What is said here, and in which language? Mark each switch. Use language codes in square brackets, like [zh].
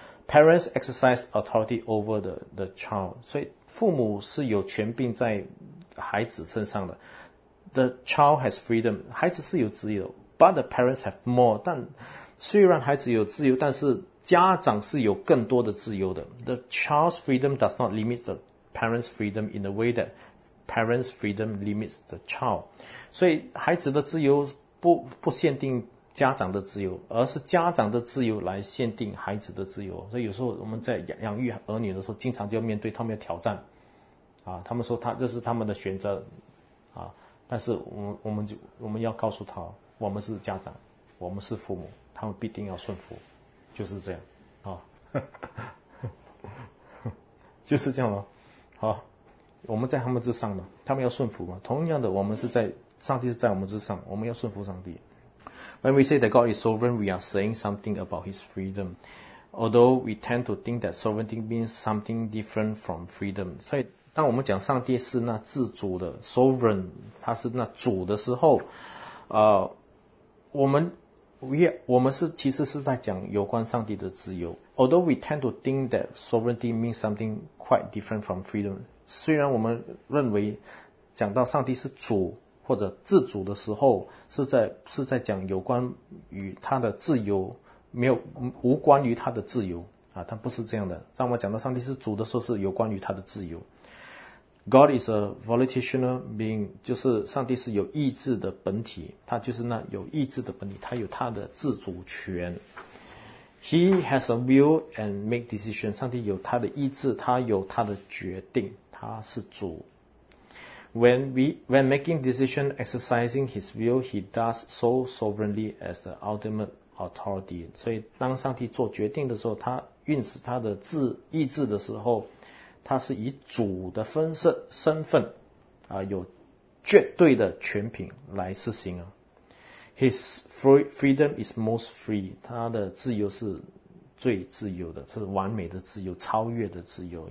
[en] Parents exercise authority over the child. [zh] 所以父母是有权柄在孩子身上的。 [en] The child has freedom. [zh] 孩子是有自由。 [en] But the parents have more. [zh] 但虽然孩子有自由，但是家长是有更多的自由的。 [en] The child's freedom does not limit the parents' freedom in the way that parents' freedom limits the child. [zh] 所以孩子的自由不限定家长的自由，而是家长的自由来限定孩子的自由。所以有时候我们在养育儿女的时候，经常就要面对他们的挑战啊，他们说他这是他们的选择啊，但是我们要告诉他，我们是家长，我们是父母，他们必定要顺服，就是这样啊，就是这样了。好，我们在他们之上嘛，他们要顺服嘛。同样的，我们是在上帝是在我们之上，我们要顺服上帝。 [en] When we say that God is sovereign, we are saying something about His freedom. Although we tend to think that sovereignty means something different from freedom. [zh] 所以当我们讲上帝是那自主的 sovereign, 他是那主的时候，我们是其实是在讲有关上帝的自由。 [en] Although we tend to think that sovereignty means something quite different from freedom. [zh] 虽然我们认为讲到上帝是主或者自主的时候，是在讲有关于他的自由，没有无关于他的自由啊，但不是这样的。当我讲到上帝是主的时候，是有关于他的自由。 [en] God is a volitional being， [zh] 就是上帝是有意志的本体，他就是那有意志的本体，他有他的自主权。 [en] He has a will and make decisions， [zh] 上帝有他的意志，他有他的决定，他是主。 [en] When making decision, exercising his will, he does so sovereignly as the ultimate authority. [zh] 所以当上帝做决定的时候，他运使他的意志的时候，他是以主的身份有绝对的权柄来施行。 [en] His freedom is most free. [zh] 他的自由是最自由的，是完美的自由，超越的自由。